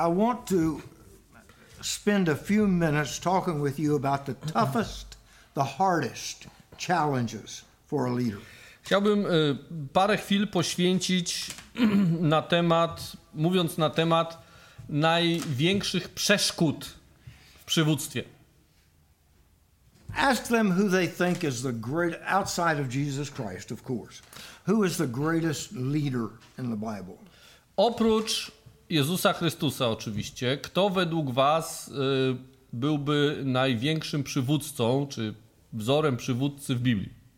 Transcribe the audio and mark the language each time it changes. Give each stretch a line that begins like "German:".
English: I want to spend a few minutes talking with you about the toughest, the hardest challenges for a leader.
Polish: Chciałbym parę chwil poświęcić na temat, mówiąc na temat największych przeszkód w przywództwie.
English: Ask them who they think is the great outside of Jesus Christ, of course. Who is the greatest leader in the Bible?
Polish: Oprócz Jezusa Chrystusa oczywiście, kto według was byłby największym przywódcą czy wzorem przywódcy w Biblii?